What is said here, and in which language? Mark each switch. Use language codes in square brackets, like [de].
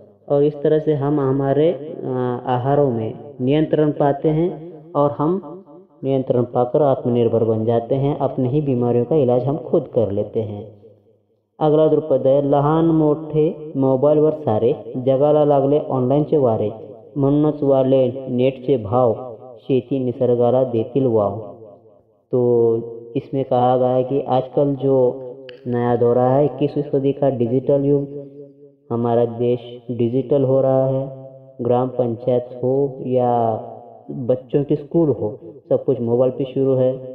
[hi] और इस तरह से हम हमारे आहारों में नियंत्रण पाते हैं और हम नियंत्रण पाकर आत्मनिर्भर बन जाते हैं, अपने ही बीमारियों का इलाज हम खुद कर लेते हैं। अगला ध्रुपद है, [mr] लहान मोठे मोबाइल वर सारे, जगाला लागले ऑनलाईनचे वारे, म्हणूनच वाढले नेटचे भाव, शेती निसर्गाला देतील वाव। [hi] तो इसमें कहा गया है कि आजकल जो नया दौरा है 21वीं सदी का, डिजिटल युग, हमारा देश डिजिटल हो रहा है, ग्राम पंचायत हो या बच्चों के स्कूल हो, सब कुछ मोबाइल पे शुरू है।